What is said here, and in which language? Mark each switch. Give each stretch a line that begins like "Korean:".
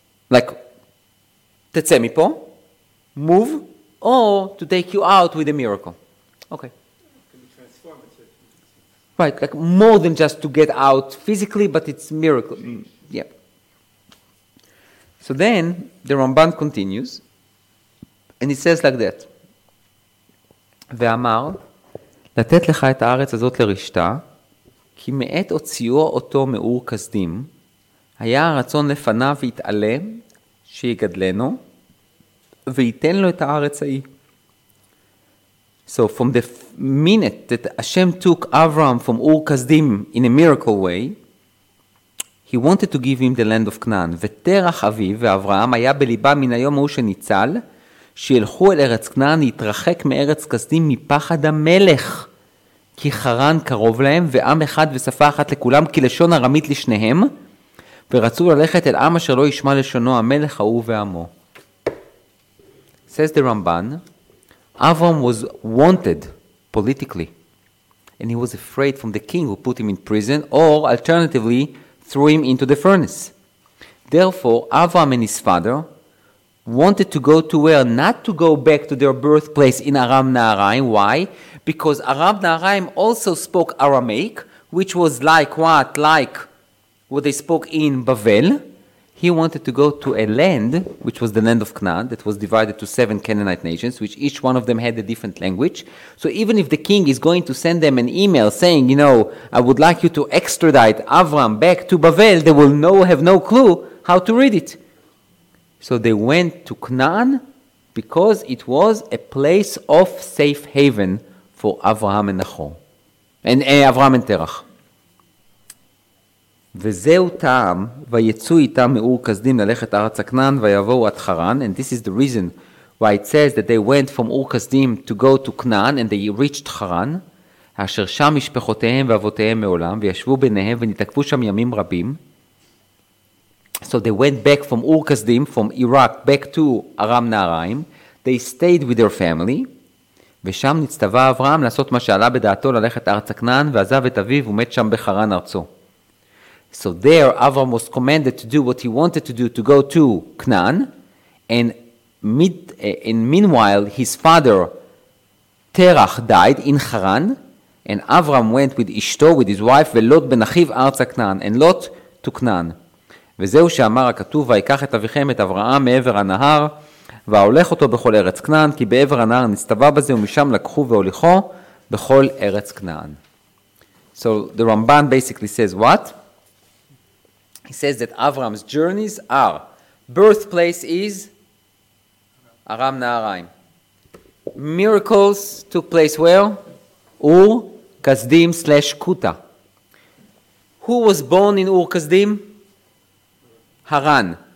English: Like,
Hebrew: tetze mipo,
English: move, or to take you out with a miracle. Okay. Right, like more than just to get out physically, but it's miracle. Yeah. So then, the Ramban continues, and it says like that.
Hebrew: Ve'amar, latet lecha et haaretz hazot lerishta, כי מעט הוציאו אותו מאור כסדים, היה הרצון לפניו יתעלה שיגדלנו, ויתן לו את הארץ ההיא.
English: So from the minute that Hashem took Avram from Ur Kasdim in a miracle way, he wanted to give him the land of Canaan.
Hebrew: ותרח אביו ואברהם היה בליבה מן היום הוא שניצל, שילכו אל ארץ כנען, יתרחק מארץ כסדים מפחד המלך. כי חרן קרוב להם, ועם אחד ושפה אחת לכולם, כי לשון ארמית לשניהם, ורצו ללכת אל עם אשר לא ישמע לשונו, המלך ההוא ועמו.
English: Says the Ramban, Avram was wanted politically, and he was afraid from the king who put him in prison, or alternatively, threw him into the furnace. Therefore, Avram and his father wanted to go to where? Not to go back to their birthplace in Aram Naharaim. Why? Because Aram Naharaim also spoke Aramaic, which was like what? Like what they spoke in Babel. He wanted to go to a land, which was the land of Canaan, that was divided to 7 Canaanite nations, which each one of them had a different language. So even if the king is going to send them an email saying, you know, I would like you to extradite Avram back to Babel, they will have no clue how to read it. So they went to Canaan because it was a place of safe haven for Avraham and Nachor. And Avraham and Terach.
Hebrew: וזהו טעם, ויצאו איתם מאור כסדים ללכת ארץ הכנען, ויבואו עד חרן.
English: And this is the reason why it says that they went from אור כסדים to go to Canaan, and they reached חרן,
Hebrew: אשר שם משפחותיהם ואבותיהם מעולם, וישבו ביניהם ונתעכבו שם ימים רבים.
English: So they went back from Ur Kasdim, from Iraq, back to Aram Naharaim. They stayed with their family.
Hebrew: ושם נצטווה אברהם לעשות מה שעלה בדעתו ללכת ארץ הכנען, ועזב את אביו ומת שם בחרן ארצו.
English: So there, Avram was commanded to do what he wanted to do, to go to Canaan. And meanwhile, his father, Terach, died in Haran. And Avram went with Ishto, with his wife,
Hebrew: ולוט בן אחיו ארץ הכנען,
English: and Lot to Canaan.
Hebrew: וזהו שאמר הכתוב, ויקח את אביכם את אברהם מעבר הנהר, והולך אותו בכל ארץ כנען, כי בעבר הנהר נצטווה בזה, ומשם לקחו והוליכו בכל ארץ כנען.
English: So the Ramban basically says what? He says that Avram's journeys are, birthplace is Aram Naharaim. Miracles took place where? Ur Kasdim / Kuta. Who was born in Ur Kasdim? Haran.